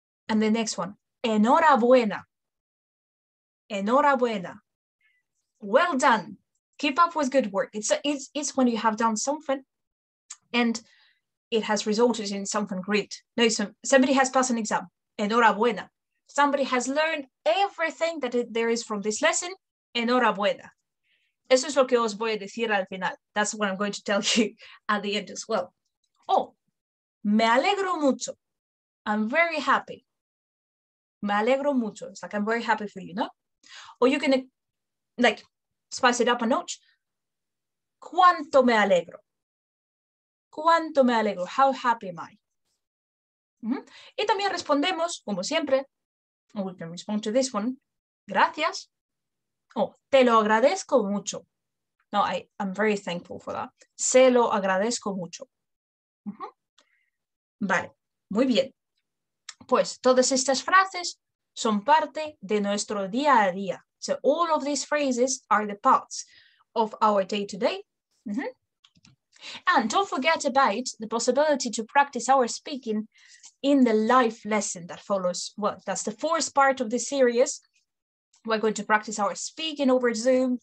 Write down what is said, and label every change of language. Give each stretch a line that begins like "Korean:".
English: And the next one, enhorabuena. Enhorabuena. Well done. Keep up with good work. It's when you have done something and it has resulted in something great. No, somebody has passed an exam. Enhorabuena. Somebody has learned everything that there is from this lesson.
Spanish: Enhorabuena. Eso es lo que os voy a decir al final.
English: That's what I'm going to tell you at the end as well. Oh,
Spanish: me alegro mucho.
English: I'm very happy.
Spanish: Me alegro mucho.
English: It's like, I'm very happy for you, no? Or you can, like, spice it up a notch.
Spanish: ¿Cuánto me alegro? ¿Cuánto me alegro?
English: How happy am I?
Spanish: Mm-hmm. Y también respondemos, como siempre,
English: we can respond to this one, gracias. Oh,
Spanish: te lo agradezco mucho.
English: No, I'm very thankful for that.
Spanish: Se lo agradezco mucho. Mm-hmm. Vale, muy bien. Pues todas estas frases son parte de nuestro día a día.
English: So all of these phrases are the parts of our day-to-day. Mm-hmm. And don't forget about the possibility to practice our speaking in the live lesson that follows. Well, that's the fourth part of the series. We're going to practice our speaking over Zoom.